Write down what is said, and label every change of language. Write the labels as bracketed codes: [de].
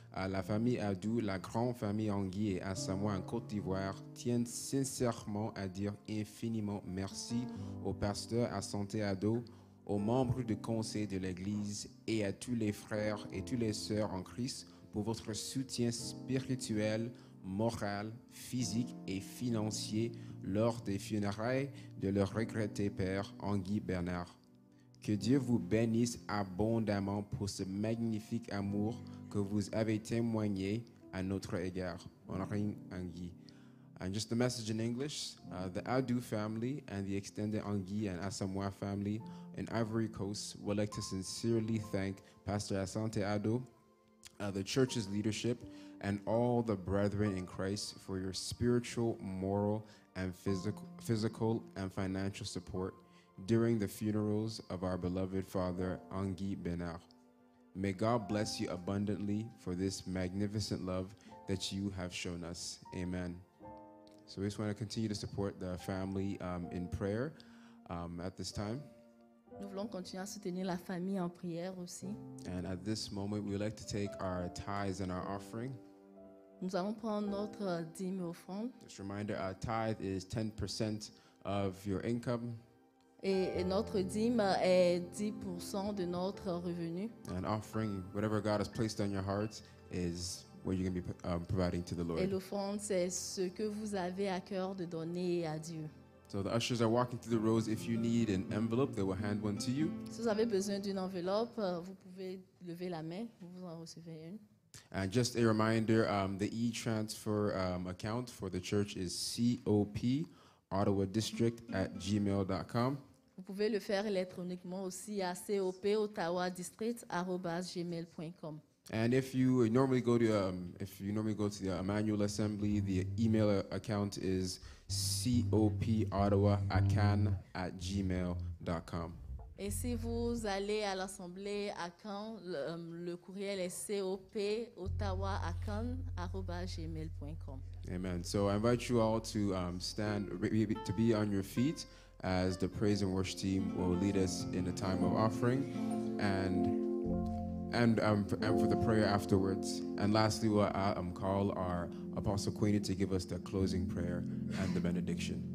[fr] À la famille Adou, la grande famille Anguille et Asamoah en Côte d'Ivoire tiennent sincèrement à dire infiniment merci au pasteur à Santé Adou, aux membres du conseil de l'Église et à tous les frères et toutes les sœurs en Christ pour votre soutien spirituel, moral, physique et financier lors des funérailles de leur regretté père Anguille Bernard. Que Dieu vous bénisse abondamment pour ce magnifique amour que vous avez témoigné à notre égard, honoring Anguille. [en] And just a message in English, the Adu family and the extended Anguille and Asamoah family in Ivory Coast would like to sincerely thank Pastor Asante Adu, the church's leadership, and all the brethren in Christ for your spiritual, moral, and physical and financial support during the funerals of our beloved father, Anguille Bernard. May God bless you abundantly for this magnificent love that you have shown us. Amen. So we just want to continue to support the family in prayer at this time. [fr] Nous voulons continuer à soutenir la famille en prière aussi. [en] And at this moment, we would like to take our tithes and our offering. [fr] Nous allons prendre notre dîme et offrande. [en] Just a reminder, our tithe is 10% of your income. [fr] Et notre dîme est 10% de notre revenu. [en] An offering, whatever God has placed on your heart, is what you're going to be providing to the Lord. [fr] Et l'offrande, c'est ce que vous avez à cœur de donner à Dieu. [en] So the ushers are walking through the rows. If you need an envelope, they will hand one to you. [fr] Si vous avez besoin d'une enveloppe, vous pouvez lever la main, vous en recevez une. [en] And just a reminder, the e-transfer account for the church is copottawadistrict@gmail.com. [fr] Vous pouvez le faire électroniquement aussi à copottawadistrict@gmail.com. [en] And if you normally go to the Emmanuel Assembly, the email account is copottawaacan@gmail.com. [fr] Et si vous allez à l'assemblée à Caen, le courriel est copottawaacan@gmail.com. [en] Amen. So I invite you all to stand, to be on your feet, as the praise and worship team will lead us in a time of offering, and for the prayer afterwards. And lastly, we'll call our Apostle Queenie to give us the closing prayer and the benediction.